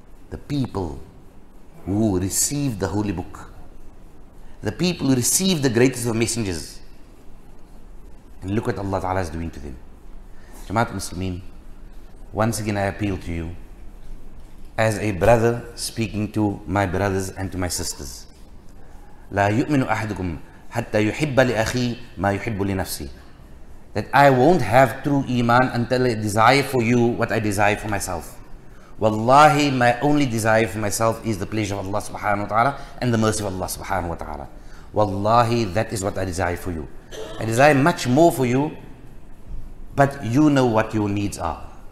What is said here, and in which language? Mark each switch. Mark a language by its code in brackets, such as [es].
[en] The people who received the Holy Book, the people who received the greatest of messengers, and look what Allah Ta'ala is doing to them. Jamaat Muslimin, once again I appeal to you, as a brother speaking to my brothers and to my sisters. [ar] لا يؤمن أحدكم حتى يحب لأخي ما يحب لنفسي. [en] That I won't have true Iman until I desire for you what I desire for myself. Wallahi, my only desire for myself is the pleasure of Allah Subhanahu Wa Ta'ala and the mercy of Allah Subhanahu Wa Ta'ala. Wallahi, that is what I desire for you. I desire much more for you, but you know what your needs are.